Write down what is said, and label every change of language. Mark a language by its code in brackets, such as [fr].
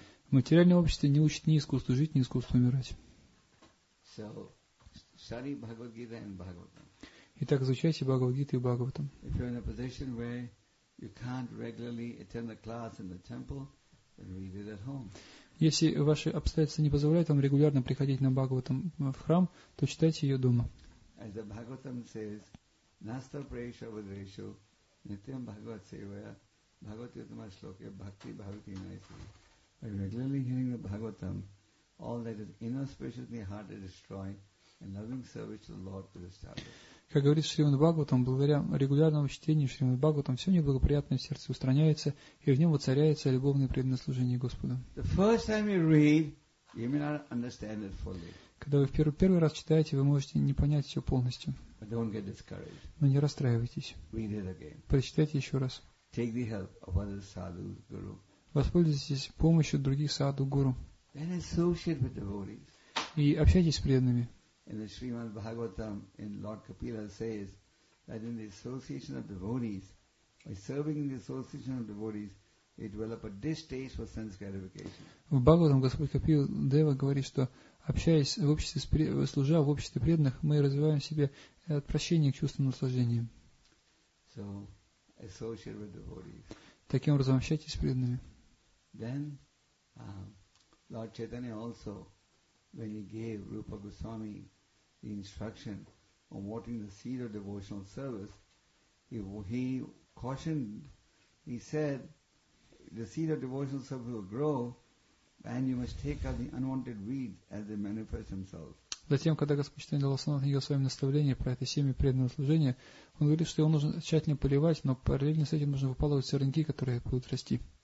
[ru] Материальное общество не учит ни искусству жить, ни искусству умирать. [en] So, study Bhagavad Gita and Bhagavatam. [ru] Итак, изучайте Бхагавад-гиту и Бхагаватам. [en] If you're in a position where you can't regularly attend the class in the temple, then read it at home. [ru] Если ваши обстоятельства не позволяют вам регулярно приходить на Бхагаватам в храм, то читайте ее дома. [en] As the Bhagavatam says, [sa] Nasta Praesha Vadreshu, Nityam Bhagavat Sevaya, Bhagavat Yatama Shloka, Bhakti Bhavati Naisi. [en] By regularly hearing the Bhagavatam, all that is inauspicious in the heart is destroyed, and loving service to the Lord is established. [ru] Как говорит Шримад Бхагаватам, благодаря регулярному чтению Шримад Бхагаватам, все неблагоприятное в сердце устраняется, и в нем воцаряется любовное преданное служение Господу. [en] The first time you read, you may not understand it fully. [ru] Когда вы первый раз читаете, вы можете не понять все полностью. [en] But don't get discouraged. [ru] Но не расстраивайтесь. [en] Read it again. [ru] Прочитайте еще раз. [en] Take the help of other sadhu, guru. [ru] Воспользуйтесь помощью других садху, гуру. [en] Then associate with devotees. [ru] И общайтесь с преданными. [en] And the Srimad Bhagavatam in Lord Kapila says that in the association of devotees, by serving in the association of devotees, they develop a distaste for sense gratification. [ru] В Бхагаватам Господь Капила Дева говорит, что общаясь в обществе, служа в обществе преданных, мы развиваем в себе отвращение к чувствам наслаждения. [en] So, associate with devotees. [ru] Таким образом, общайтесь с преданными. [en] Then, Lord Chaitanya also, when he gave Rupa Goswami the instruction on watering the seed of devotional service, he cautioned, he said, the seed of devotional service will grow, and you must take out the unwanted weeds as they manifest themselves. [ru] Затем, когда Господь Читания Лосана дал своим наставлением про это семя преданного служения, он говорит, что его нужно тщательно поливать, но параллельно с этим нужно выпалывать сорняки, которые будут расти.